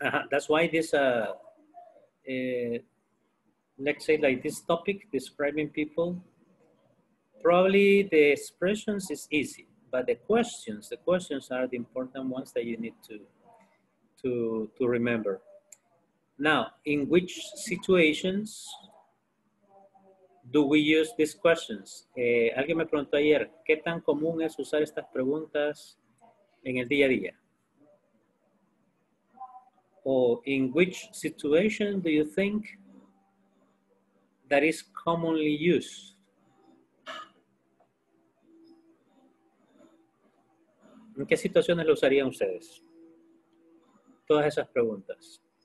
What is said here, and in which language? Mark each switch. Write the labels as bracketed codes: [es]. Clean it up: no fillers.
[en] That's why this, let's say like this topic, describing people, probably the expressions is easy, but the questions are the important ones that you need to remember. Now, in which situations do we use these questions? [es] Alguien me preguntó ayer, ¿qué tan común es usar estas preguntas en el día a día? [en] Or in which situation do you think that is commonly used? [es] ¿En qué situaciones lo usarían ustedes? Todas esas preguntas.